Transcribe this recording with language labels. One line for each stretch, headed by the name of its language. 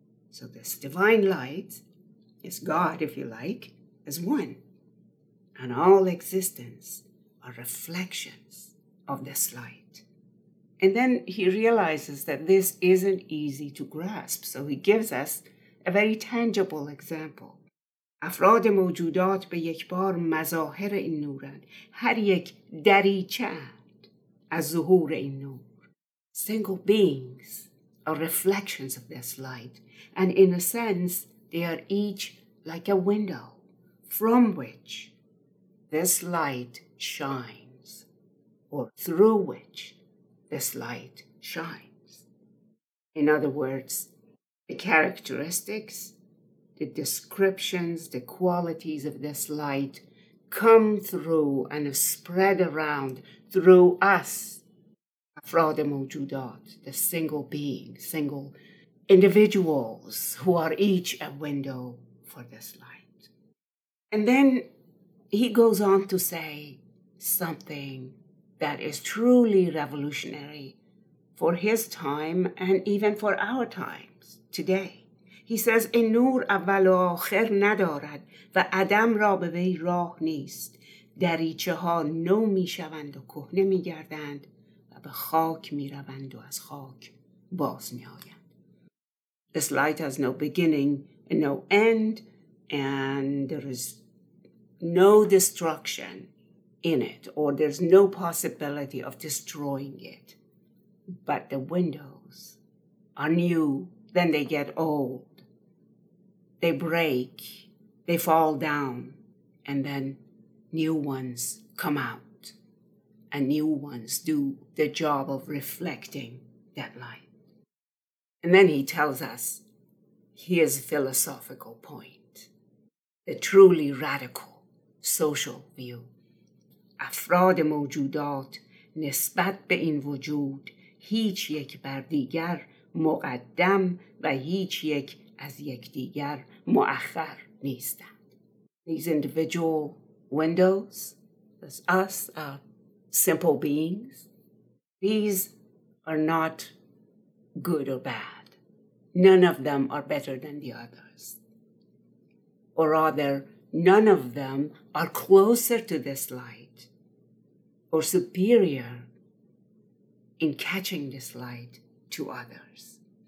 English: So this divine light, is God if you like, is one. And all existence are reflections of this light. And then he realizes that this isn't easy to grasp. So he gives us a very tangible example.
Persian: افراد موجودات به یک بار مظاهر این نورند. هر یک دریچه‌اند از ظهور این نور.
English: Single beings are reflections of this light. And in a sense, they are each like a window from which this light shines. Or through which this light shines. In other words, the characteristics, the descriptions, the qualities of this light come through and spread around through us,
Persian: afrad mojudat,
English: the single being, single individuals who are each a window for this light. And then he goes on to say something that is truly revolutionary for his time and even for our times today. He says,
Persian: این نور اول و آخر ندارد و عدم را به وی راه نیست. دریچه ها نو می شوند و کهنه می گردند و به خاک می روند و از خاک باز می آیند.
English: This light has no beginning and no end, and there is no destruction in it, or there's no possibility of destroying it. But the windows are new. then they get old, they break, they fall down, and then new ones come out, and new ones do the job of reflecting that light. And then he tells us his philosophical point, the truly radical social view.
Persian: افراد موجودات نسبت به این وجود هیچ یک بر دیگر مقدم و هیچ یک از یک دیگر مؤخر نیستند.
English: These individual windows, as us, simple beings, these are not good or bad. None of them are better than the others. Or rather, none of them are closer to this light or superior in catching this light to others.